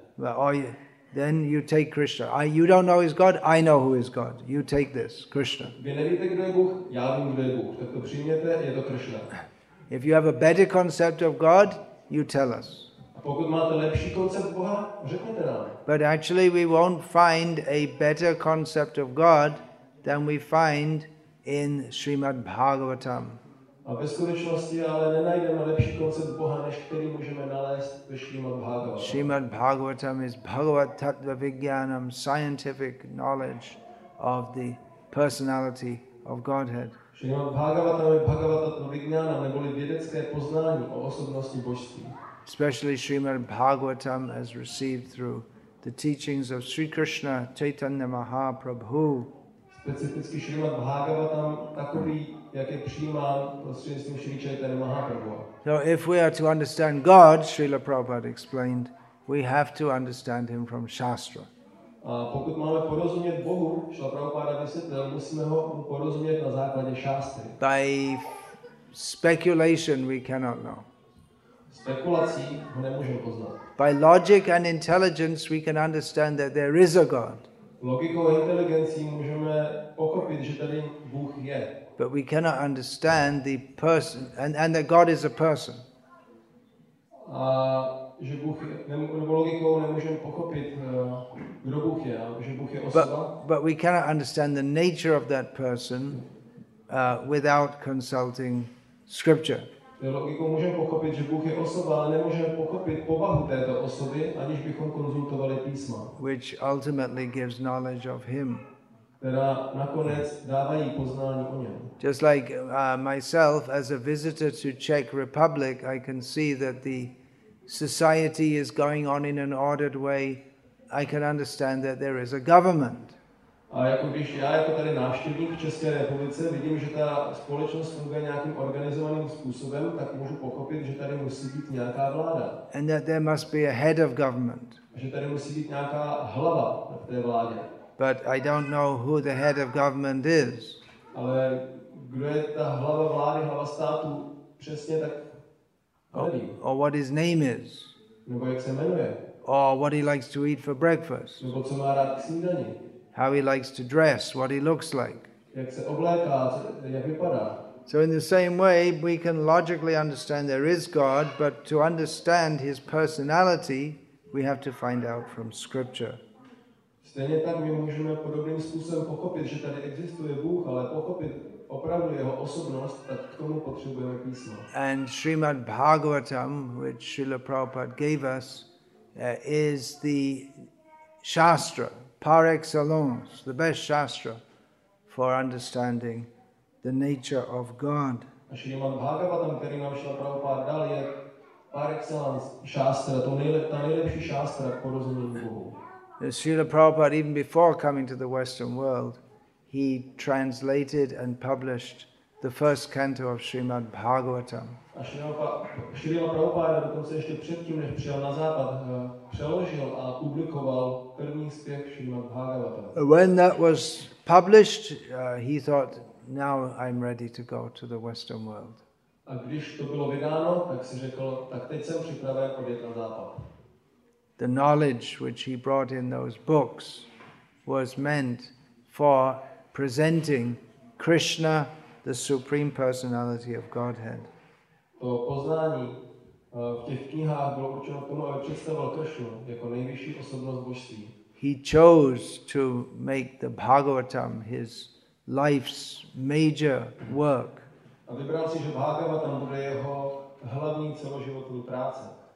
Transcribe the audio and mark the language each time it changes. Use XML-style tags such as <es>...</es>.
<en>Well, or you, then you take Krishna. You don't know he's God, I know who is God. You take this, Krishna.</en> <cs>Vy nevíte, kdo je Bůh, já vím, kdo je Bůh. Tak to přijměte, je to Krishna.</cs> <en>If you have a better concept of God, you tell us.</en> <cs>Pokud máte lepší koncept Boha, řekněte nám.</cs> <en>But actually we won't find a better concept of God than we find in Srimad Bhagavatam.</en> <cs>A ve skutečnosti ale nenajdeme lepší koncept Boha, než který můžeme nalézt ve Srimad Bhagavatam.</cs> <en>Srimad Bhagavatam is Bhagavat Tattva Vijnanam, scientific knowledge of the personality of Godhead.</en> <cs>Srimad Bhagavatam je Bhagavat Tattva Vijnanam, neboli vědecké poznání o osobnosti božství.</cs> <en>Especially Srimad Bhagavatam has received through the teachings of Sri Krishna Chaitanya Mahaprabhu.</en> <cs>Specificky Srimad Bhagavatam takový, jak je přijímán prostřednictvím Sri Chaitanya Mahaprabhu.</cs> <en>So if we are to understand God, Srila Prabhupada explained, we have to understand him from Shastra.</en> <cs>A pokud máme porozumět Bohu, Srila Prabhupada vysvětlil, musíme ho porozumět na základě Shastry.</cs> <en>By speculation we cannot know.</en> <cs>Spekulací ho nemůžeme poznat.</cs> <en>By logic and intelligence we can understand that there is a God.</en> <cs>Logikou a inteligencí můžeme pochopit, že tady Bůh je.</cs> <en>But we cannot understand the person and that God is a person.</en> <cs>A že Bůh je, nebo logikou nemůžeme pochopit, kdo Bůh je, že Bůh je osoba.</cs> <en>But we cannot understand the nature of that person without consulting scripture.</en> <cs>Logikou můžeme pochopit, že Bůh je osoba, ale nemůžeme pochopit povahu této osoby, aniž bychom konzultovali písma.</cs> <en>Which ultimately gives knowledge of him.</en> <cs>Teda nakonec dávají poznání o něm.</cs> <en>Just like myself, as a visitor to Czech Republic, I can see that the society is going on in an ordered way. I can understand that there is a government.</en> <cs>A jako když já jako tady návštěvník v České republice vidím, že ta společnost funguje nějakým organizovaným způsobem, tak můžu pochopit, že tady musí být nějaká vláda.</cs> <en>And that there must be a head of government.</en> <cs>Že tady musí být nějaká hlava v té vládě.</cs> <en>But I don't know who the head of government is.</en> <cs>Ale kdo je ta hlava vlády, hlava státu, přesně tak nevím.</cs> <en>Or what his name is.</en> <cs>Nebo jak se jmenuje.</cs> <en>Or what he likes to eat for breakfast.</en> <cs>Nebo co má rád k snídani.</cs> <en>How he likes to dress, what he looks like.</en> <cs>Jak se obléká, jak vypadá.</cs> <en>So in the same way, we can logically understand there is God, but to understand his personality, we have to find out from scripture.</en> <cs>Stejně tak my můžeme podobným způsobem pochopit, že tady existuje Bůh, ale pochopit opravdu jeho osobnost, tak k tomu potřebujeme písmo.</cs> <en>And Srimad Bhagavatam, which Srila Prabhupada gave us, is the Shastra. Par excellence, the best shastra for understanding the nature of God.</en> <cs>A Srimad Bhagavatam, který nám Srila Prabhupada dal, je par excellence shastra, ta nejlepší shastra k porozumění Bohu.</cs> <en>Srila Prabhupada, even before coming to the Western world, he translated and published the first canto of Srimad Bhagavatam.</en> <cs>A Srila Prabhupada dokonce ještě předtím, než přijel na západ, přeložil a publikoval první zpěv Srimad Bhagavatam.</cs> <en>When that was published, he thought, now I'm ready to go to the Western world.</en> <cs>A když to bylo vydáno, tak si řekl, tak teď jsem připraven odjet na západ.</cs> <en>The knowledge which he brought in those books was meant for presenting Krishna, the Supreme Personality of Godhead.</en> <cs>To poznání v těch knihách bylo určeno tomu, aby představil Krishnu jako nejvyšší osobnost božství.</cs> <en>He chose to make the Bhagavatam his life's major work.</en> <cs>A vybral si, že Bhagavatam bude jeho hlavní celoživotní práce.</cs>